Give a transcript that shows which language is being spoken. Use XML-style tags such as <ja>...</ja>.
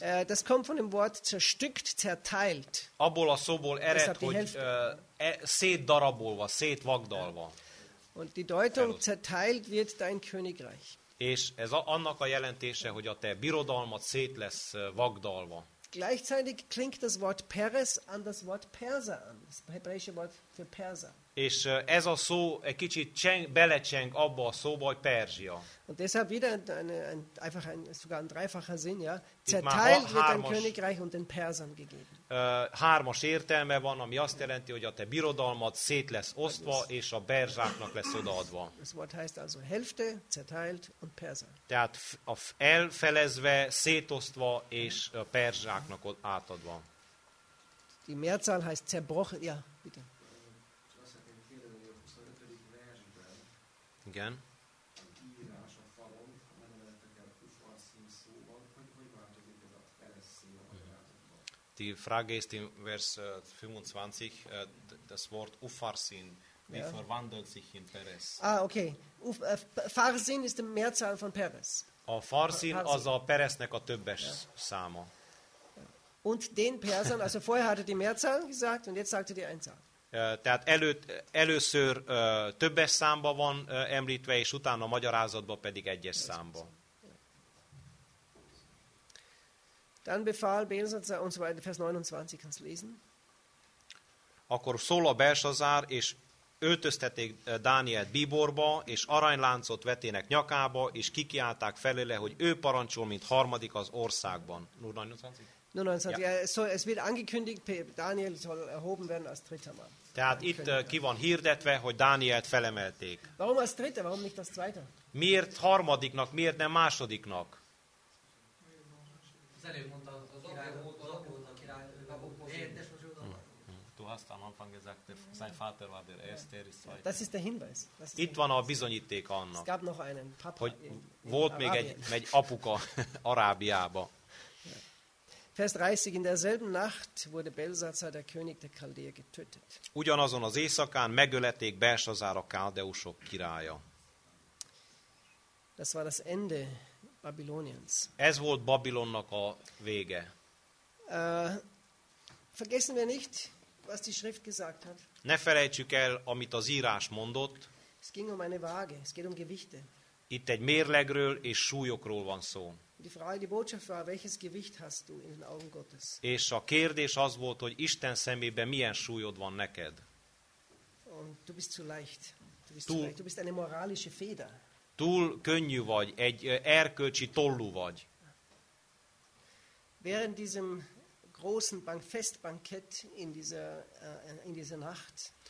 <de>das kommt von dem Wort zerstückt, zerteilt.</de> <hu>Abból a szóból ered, hogy szétdarabolva, szétvagdalva.</hu> <de>Und die Deutung zerteilt wird dein Königreich.</de> <hu>És ez annak a jelentése, hogy a te birodalmat szét lesz vagdalva.</hu> <de>Gleichzeitig klingt das Wort Peres an das Wort Perser an. Das hebräische Wort für Perser.</de> <hu>És ez a szó egy kicsit belecseng abba a szóba, hogy Perzsia.</hu> <de>Und deshalb wieder sogar ein dreifacher Sinn, ja. Zerteilt wird ein Königreich und den Persern gegeben.</de> <hu>Hármas értelme van, ami azt jelenti, hogy a te birodalmad szét lesz osztva, és a Perzsáknak lesz odaadva.</hu> <de>Das Wort heißt also Hälfte, zerteilt und Perser.</de> <hu>Tehát elfelezve, szétosztva, és a Perzsáknak átadva.</hu> <de>Die Mehrzahl heißt zerbrochen, ja, bitte.</de> <hu>Igen.</hu> <de>Die Frage ist im Vers 25, das Wort Ufarsin, wie ja. verwandelt sich in Peres? Ah, okay. Farsin ist die Mehrzahl von Peres.</de> <hu>A Farsin az a Peresnek a többes ja. száma.</hu> <de>Und den Persern, also vorher hatte die Mehrzahl gesagt und jetzt sagte die Einzahl.</de> <hu>Tehát először többes számba van említve, és utána a magyarázatban pedig egyes számba.</hu> <de>Dann befahl Belsazar und so weiter, Vers 29, kannst lesen.</de> <hu>Akkor szól a Belsazar, és öltöztették Dánielt bíborba, és aranyláncot vetének nyakába, és kikiálták felőle, hogy ő parancsol, mint harmadik az országban.</hu> <de>29. Ja. So, es wird angekündigt, Daniel soll erhoben werden als dritter Mann.</de> <hu>Tehát itt ki van hirdetve, hogy Dánielt felemelték.</hu> <de>Warum als dritter, warum nicht als zweiter?</de> <hu>Miért harmadiknak, miért nem másodiknak? Az előbb mondta, az volt a király, az apu volt a király.</hu> <de>Du hast am Anfang gesagt, sein Vater war der. Das ist der Hinweis.</de> <hu>Itt van a bizonyíték annak,</hu> <de>es gab noch einen Papa,</de> <hu>hogy volt még egy apuka Arábiába.</hu> <de>Vers 30, in derselben Nacht wurde Belsazar, der König der Chaldeer, getötet.</de> <hu>Ugyanazon az éjszakán megölették Belsazar a káldeusok királya.</hu> <de>Das war das Ende Babyloniens.</de> <hu>Ez volt Babilonnak a vége.</hu> <de>Vergessen wir nicht, was die Schrift gesagt hat.</de> <hu>Ne felejtsük el, amit az írás mondott.</hu> <de>Es ging um eine Waage, es geht um Gewichte.</de> <hu>Itt egy mérlegről és súlyokról van szó.</hu> <de>Die Frage, die Botschaft war, welches Gewicht hast du in den Augen Gottes?</de> <hu>És a kérdés az volt, hogy Isten szemében milyen súlyod van neked?</hu> <de>Und du bist zu leicht. Du bist eine moralische Feder.</de> <hu>Túl könnyű vagy, egy erkölcsi tollú vagy.</hu> <de>Während diesem großen Festbankett in dieser Nacht.</de>